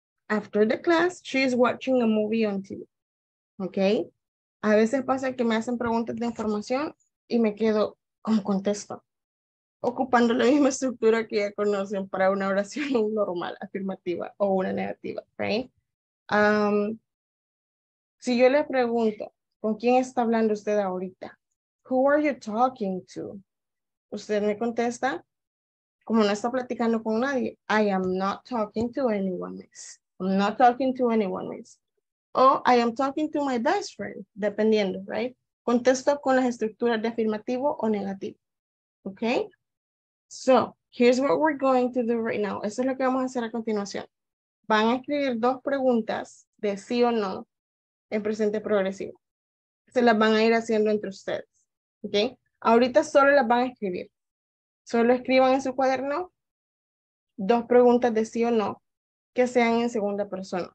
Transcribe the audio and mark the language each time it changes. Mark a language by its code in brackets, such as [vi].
[en] After the class, she is watching a movie on TV. Okay? [es] A veces pasa que me hacen preguntas de información y me quedo como contesto, ocupando la misma estructura que ya conocen para una oración normal, afirmativa o una negativa. [en] Right? [es] Si yo le pregunto, ¿con quién está hablando usted ahorita? [en] Who are you talking to? [es] Usted me contesta, como no está platicando con nadie, [en] I am not talking to anyone, miss. I'm not talking to anyone, miss. O I am talking to my best friend, [es] dependiendo, [en] right? [es] Contesto con las estructuras de afirmativo o negativo. [en] Okay? So, here's what we're going to do right now. [es] Eso es lo que vamos a hacer a continuación. Van a escribir dos preguntas de sí o no en presente progresivo. Se las van a ir haciendo entre ustedes. Okay? Ahorita solo las van a escribir. Solo escriban en su cuaderno dos preguntas de sí o no que sean en segunda persona.